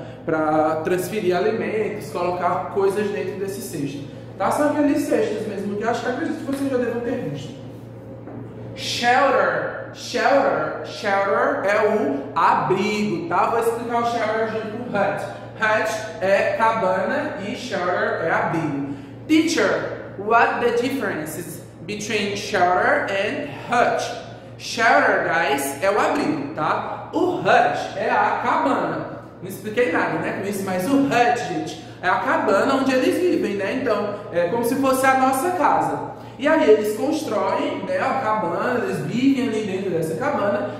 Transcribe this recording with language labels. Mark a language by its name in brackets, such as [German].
[Portuguese] Para transferir alimentos, colocar coisas dentro desse cesto. Tá, são aqueles cestos mesmo, que acho que acredito que vocês já devem ter visto. Shelter. Shelter. Shelter é um abrigo, tá? Vou explicar o shelter junto com o hut. Hut é cabana e shelter é abrigo. [English] Teacher, what the difference between shelter and hut? [Portuguese] Shelter, guys, é o abrigo, tá? O hut é a cabana. Não expliquei nada, né, com isso, mas o hut, gente, é a cabana onde eles vivem, né? Então, é como se fosse a nossa casa. E aí eles constroem, né, a cabana, eles vivem ali dentro dessa cabana.